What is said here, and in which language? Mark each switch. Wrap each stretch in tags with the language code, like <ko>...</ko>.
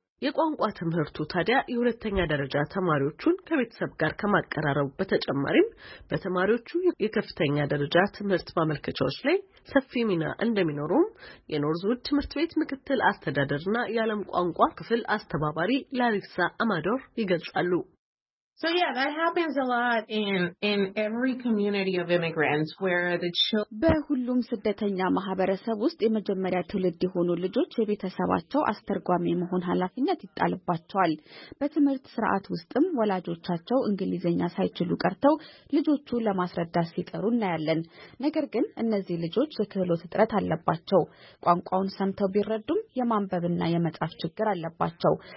<am>የቋንቋ ትምህርቱ ታዲያ የሁለተኛ ደረጃ ተማሪዎቹን ከቤተሰብ ጋር ከመቀራረብ በተጨማሪም በተማሪዎቹ የከፍተኛ ደረጃ ትምህርት ማመልከቻዎች ላይ ሰፊ ሚና እንደሚኖረው የኖርዝውድ ትምህርት ቤት ምክትል አስተዳደርና የዓለም ቋንቋ ክፍል አስተባባሪ ላሪሳ አማዶር ይገልጻሉ።</am> <en>So yeah, that happens a lot in every community of immigrants where the children</en> <am>በሁሉም ስደተኛ ማህበረሰብ ውስጥ የመጀመሪያ ትውልድ የሆኑ ልጆች የቤተሰባቸው አስተርጓሚ መሆን ኃላፊነት ይጣልባቸዋል። በትምህርት ስርዓት ውስጥም ወላጆቻቸው እንግሊዘኛ ሳይችሉ ቀርተው ልጆቹ ለማስረዳት ሲጠሩ እናያለን። ነገር ግን እነዚህ ልጆች የክህሎት እጥረት አለባቸው። ቋንቋውን ሰምተው ቢረዱም የማንበብና የመጻፍ ችግር አለባቸው።</am>